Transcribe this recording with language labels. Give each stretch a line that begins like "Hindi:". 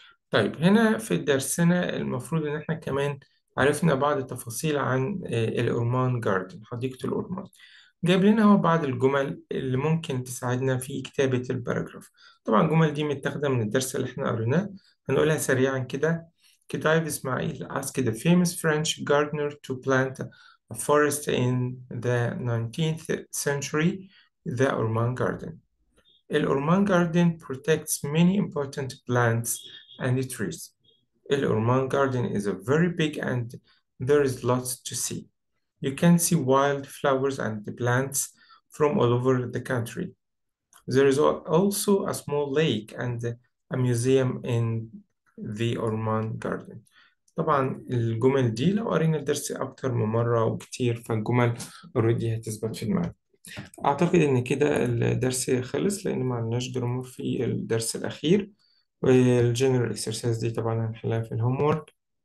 Arabic: طيب هنا في درسنا المفروض إن إحنا كمان عرفنا بعض التفاصيل عن الأورمان جاردن، حديقة الأورمان. جايب لنا هو بعض الجمل اللي ممكن تساعدنا في كتابة الباراجراف. طبعا الجمل دي متاخدة من الدرس اللي احنا قريناه، هنقولها سريعا كده.
English: كتايب Ismail asked the famous French gardener to plant a forest in the 19th century, the Ormond Garden. الأورمان garden protects many important plants and trees. الأورمان garden is a very big and there is lots to see. You can see wild flowers and plants from all over the country. There is also a small lake and a museum in the Orman Garden.
Arabic: طبعا الجمل دي لو قرينا الدرس أكتر من مرة وكتير فالجمل already هتثبت في دماغك. أعتقد إن كده الدرس خلص لأن ما عندناش جرامر في الدرس الأخير، والجنرال اكسرسايز دي طبعا هنحلها في الهوم ورك.